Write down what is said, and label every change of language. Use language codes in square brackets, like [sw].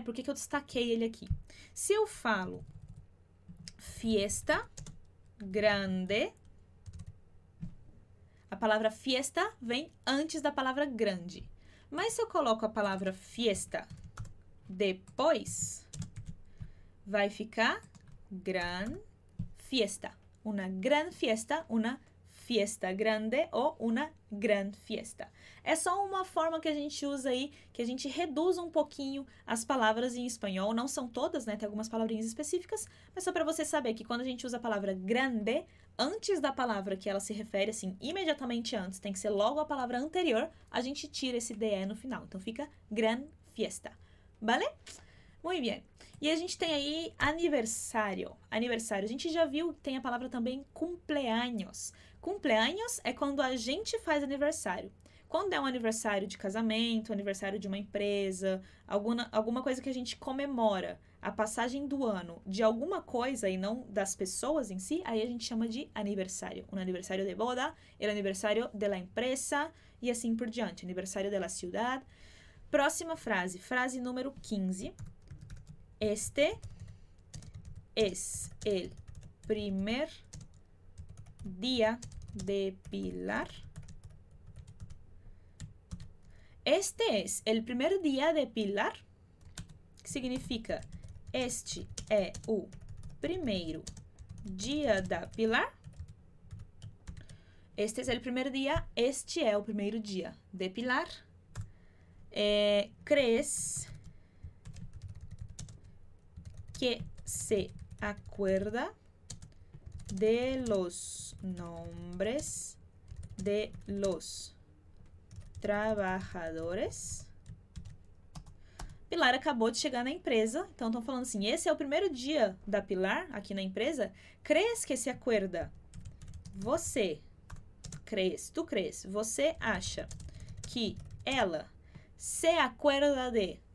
[pt] Por que que eu destaquei ele aqui? Se eu falo fiesta grande, a palavra fiesta vem antes da palavra grande. Mas se eu coloco a palavra fiesta depois, vai ficar gran fiesta. [es] Una gran fiesta, una fiesta grande ou una gran fiesta. [pt] É só uma forma que a gente usa aí, que a gente reduz um pouquinho as palavras em espanhol. Não são todas, né? Tem algumas palavrinhas específicas, mas só para você saber que quando a gente usa a palavra grande antes da palavra que ela se refere, assim, imediatamente antes, tem que ser logo a palavra anterior, a gente tira esse de no final. Então fica gran fiesta. [es] Vale? Muy bien. [pt] E a gente tem aí aniversário. Aniversário. A gente já viu que tem a palavra também cumpleaños. Cumpleaños é quando a gente faz aniversário. Quando é um aniversário de casamento, aniversário de uma empresa, alguma coisa que a gente comemora a passagem do ano de alguma coisa e não das pessoas em si, aí a gente chama de aniversário. [es] Um aniversário de boda, el aniversario de la empresa [pt] e assim por diante. Aniversário de la ciudad. Próxima frase, frase número 15. [es] Este es el primer día de Pilar. Este es el primer día de Pilar. [pt] Significa, este é o primeiro dia da Pilar. [es] Este es el primer día. [pt] Este é o primeiro dia de Pilar. [es] ¿Crees que se acuerda de los nombres de los trabajadores? [pt] Pilar acabou de chegar na empresa, então estão falando assim: esse é o primeiro dia da Pilar aqui na empresa. Crees que se acuerda? Você crees, tu crees, você acha que ela se acuerda de.